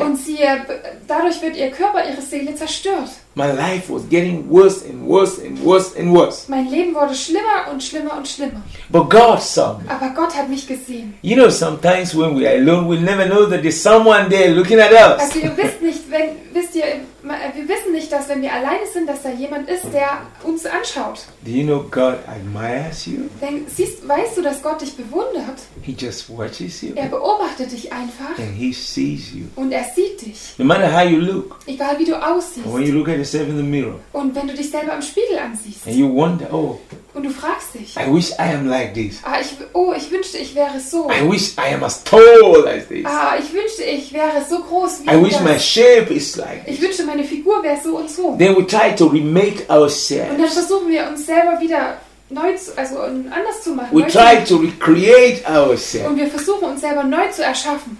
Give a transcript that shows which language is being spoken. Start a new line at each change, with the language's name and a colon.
German: Und dadurch wird ihr Körper, ihre Seele zerstört.
English: My life was getting worse and worse and worse and worse.
German: Mein Leben wurde schlimmer und schlimmer und schlimmer.
English: But God saw me.
German: Aber Gott hat mich gesehen.
English: You know, sometimes when we are alone, we never know that there's someone there looking at us.
German: Also wir wissen nicht, dass wenn wir alleine sind, dass da jemand ist, der uns anschaut.
English: Do you know God admires you?
German: Weißt du, dass Gott dich bewundert?
English: He just watches you.
German: Er beobachtet dich einfach.
English: And he sees you.
German: Und er sieht dich.
English: No matter how you look.
German: Egal wie du aussiehst.
English: When you look at yourself in the mirror.
German: Und wenn du dich selber im Spiegel ansiehst.
English: And you wonder, oh.
German: Und du fragst dich.
English: I wish I am like this.
German: Ich wünschte, ich wäre so.
English: I wish I am as tall as this.
German: Ich wünschte, ich wäre so groß wie
English: du. I wish my shape is like this.
German: Ich wünschte, meine Figur wäre so und so.
English: Then we try to remake ourselves.
German: Und dann versuchen wir uns selber wieder anders zu machen.
English: We try to recreate ourselves.
German: Und wir versuchen uns selber neu zu erschaffen.